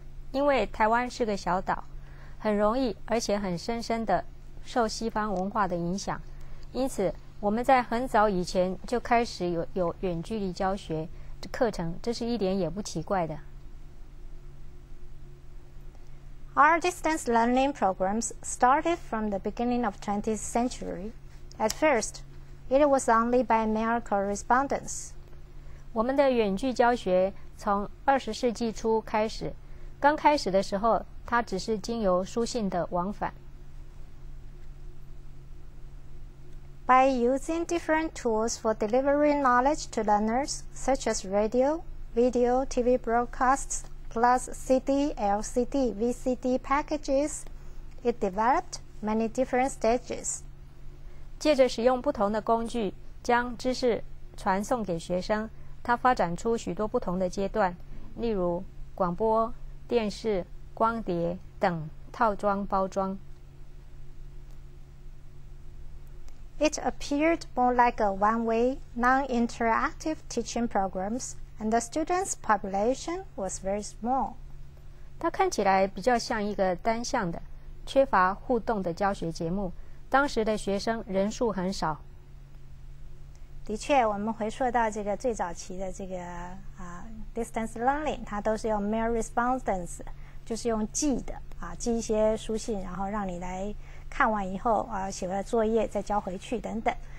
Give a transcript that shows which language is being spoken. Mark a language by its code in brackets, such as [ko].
[zh] 因为台湾是个小岛，很容易而且很深深的受西方文化的影响，因此我们在很早以前就开始 有远距离教学课程，这是一点也不奇怪的。 [en] Our distance learning programs started from the beginning of 20th century. At first, it was only by mail correspondence. [zh] 我们的远距教学从20世纪初开始，刚开始的时候，它只是经由书信的往返。 [en] By using different tools for delivering knowledge to learners, such as radio, video, TV broadcasts, plus CD, LCD, VCD packages, it developed many different stages. [zh] 借着使用不同的工具将知识传送给学生，它发展出许多不同的阶段，例如广播、电视、光碟等套装包装。 [en] It appeared more like a one-way, non-interactive teaching programs, and the students' population was very small. [zh] 它看起来比较像一个单向的、缺乏互动的教学节目，当时的学生人数很少。的确，我们回溯到这个最早期的这个 [en] distance learning， [zh] 它都是用 [en] mail respondents， [zh] 就是用寄的啊，寄一些书信，然后让你来看完以后啊，写完作业再交回去等等。